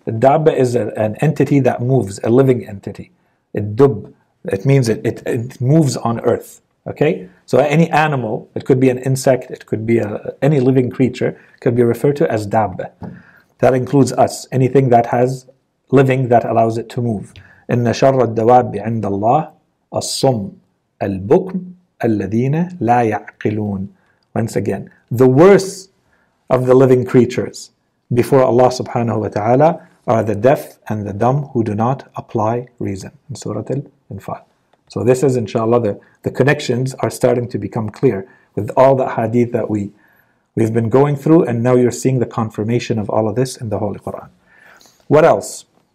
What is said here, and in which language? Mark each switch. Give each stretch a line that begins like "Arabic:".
English: الدابة is an entity that moves, a living entity. الدب, it means it moves on earth. Okay, so any animal, it could be an insect, it could be any living creature, could be referred to as دابة. That includes us, anything that has living that allows it to move.
Arabic: إن شر الدواب عند الله الصم البكم الذين لا يعقلون.
English: Once again, the worst of the living creatures before Allah subhanahu wa ta'ala are the deaf and the dumb who do not apply reason. In Surah Al-Anfal. So this is, inshallah, the connections are starting to become clear with all the hadith that we've been going through, and now you're seeing the confirmation of all of this in the Holy Quran. What else?